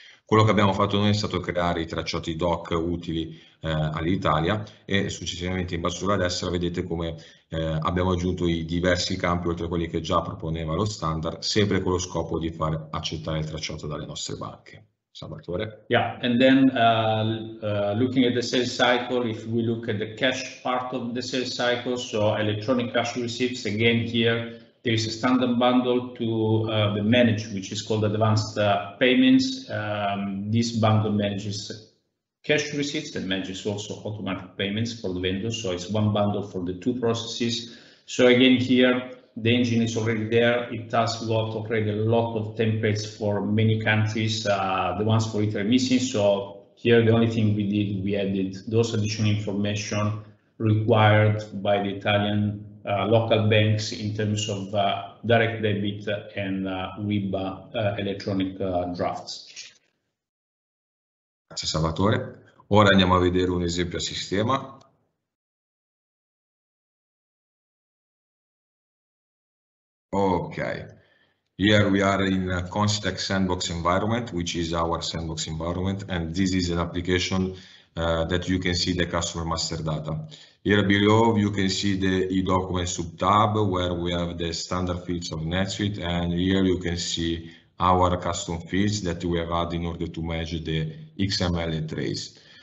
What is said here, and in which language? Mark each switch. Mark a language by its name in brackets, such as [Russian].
[Italian] Quello che abbiamo fatto noi è stato creare i tracciati DOC utili all'Italia e successivamente in basso sulla destra vedete come abbiamo aggiunto i diversi campi oltre a quelli che già proponeva lo standard, sempre con lo scopo di far accettare il tracciato dalle nostre banche. Salvatore. [English] Yeah, and then looking at the sales cycle, if we look at the cash part of the sales cycle, so electronic cash receipts, again here, there is a standard bundle to the manage, which is called advanced payments. This bundle manages cash receipts and manages also automatic payments for the vendor. So it's one bundle for the two processes. So again here, The engine is already there. It has got already a lot of templates for many countries, the ones for Italy missing. So here, the only thing we did, we added those additional information required by the Italian local banks in terms of direct debit and WIBA electronic drafts. [Italian] Grazie Salvatore. Ora andiamo a vedere un esempio a sistema. [English] Okay, here we are in a Constex sandbox environment, which is our sandbox environment, and this is an application that you can see the customer master data. Here below, you can see the e-document sub-tab where we have the standard fields of NetSuite, and here you can see our custom fields that we have added in order to manage the XML and trace.